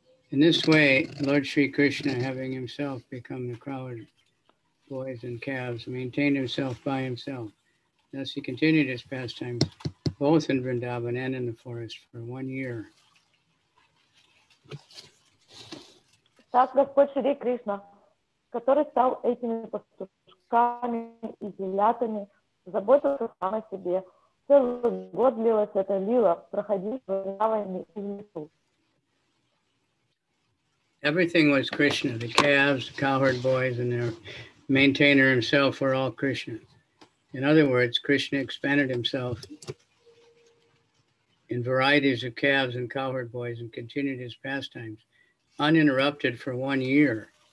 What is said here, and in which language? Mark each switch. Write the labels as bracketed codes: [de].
[en] In this way, Lord Sri Krishna, having himself become the crowd, boys and calves, maintained himself by himself. Thus he continued his pastimes, both in Vrindavan and in the forest, for 1 year. [ru] Так Господь Шри Кришна, который стал этими пастушками и телятами, заботился сам о себе. Целый год длилась эта лила, проходив в Вриндаване и в лесу. [en] Everything was Krishna, the calves, the cowherd boys, and their maintainer himself were all Krishna. In other words, Krishna expanded himself in varieties of calves and cowherd boys and continued his pastimes uninterrupted for 1 year.